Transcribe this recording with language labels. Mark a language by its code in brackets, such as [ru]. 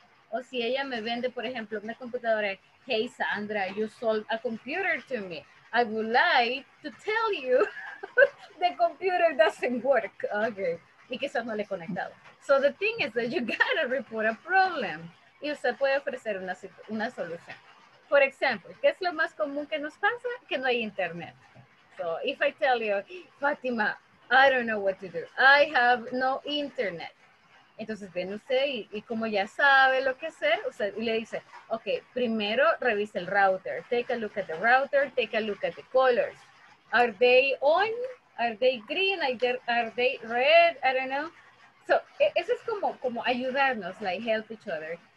[es] O si ella me vende, por ejemplo, una computadora, [en] hey, Sandra, you sold a computer to me. I would like to tell you the computer doesn't work. Okay. [es] Y quizás no le he conectado. [en] So the thing is that you gotta report a problem. [es] Y usted puede ofrecer una solución. [en] For example, [es] ¿qué es lo más común que nos pasa? Que no hay internet. [en] So if I tell you, Fátima, I don't know what to do. I have no internet. [es] Entonces viene usted y como ya sabe lo que hacer, usted le dice, ok, primero revise el router. [en] Take a look at the router. Take a look at the colors. Are they on? Are they green? Are they red? I don't know. So, [es] eso es como ayudarnos, [en] like help each other.